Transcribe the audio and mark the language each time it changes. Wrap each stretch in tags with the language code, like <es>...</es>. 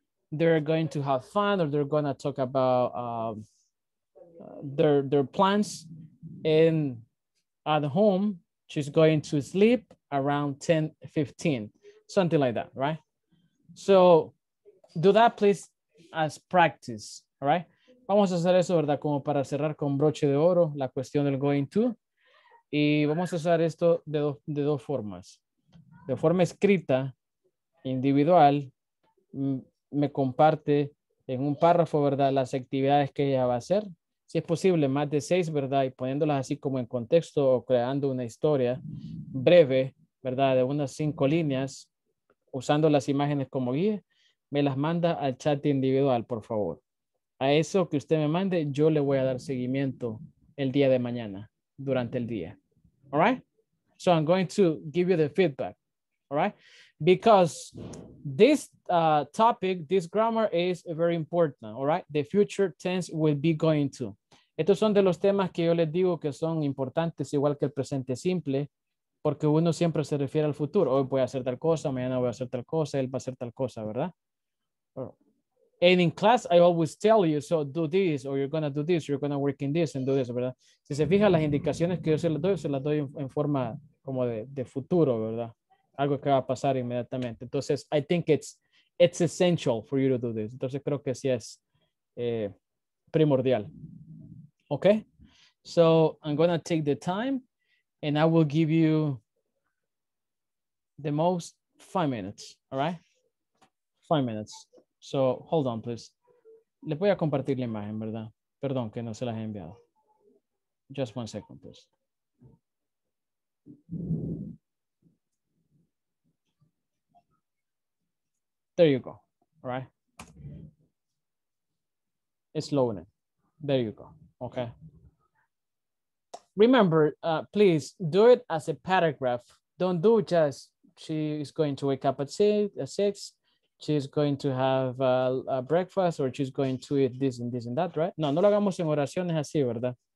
<en>They're going to have fun, or they're going to talk about their plans. And at home, she's going to sleep around 10:15. Something like that, right? So do that, please, as practice, all right?</en> <es>Vamos a hacer eso, ¿verdad? Como para cerrar con broche de oro la cuestión del going to. Y vamos a hacer esto de dos formas. De forma escrita, individual, me comparte en un párrafo, ¿verdad? Las actividades que ella va a hacer. Si es posible, más de 6, ¿verdad? Y poniéndolas así como en contexto o creando una historia breve, ¿verdad? De unas 5 líneas. Usando las imágenes como guía, me las manda al chat individual, por favor. A eso que usted me mande, yo le voy a dar seguimiento el día de mañana, durante el día.</es> <en>All right? So I'm going to give you the feedback. All right? Because this topic, this grammar is very important. All right? The future tense will be going to.</en> <es>Estos son de los temas que yo les digo que son importantes, igual que el presente simple. Porque uno siempre se refiere al futuro. Hoy voy a hacer tal cosa, mañana voy a hacer tal cosa, él va a hacer tal cosa, ¿verdad?</es> <en>And in class, I always tell you, so do this, or you're going to do this, you're going to work in this, and do this, ¿verdad?</en> <es>Si se fijan las indicaciones que yo se las doy en forma como de futuro, ¿verdad? Algo que va a pasar inmediatamente.</es> <en>Entonces, I think it's essential for you to do this.</en> <es>Entonces, creo que sí es primordial. Okay?</es> <en>So, I'm going to take the time. And I will give you the most 5 minutes, all right? 5 minutes. So hold on, please.</en> <es>Le voy a compartir la imagen, ¿verdad? Perdón, que no se las he enviado.</es> <en>Just 1 second, please. There you go, all right? It's loading. There you go, okay? Remember, please do it as a paragraph. Don't do just, she is going to wake up at 6, she's going to have a breakfast, or she's going to eat this and this and that, right?</en> <es>No, no lo hagamos en oraciones así, ¿verdad?</es>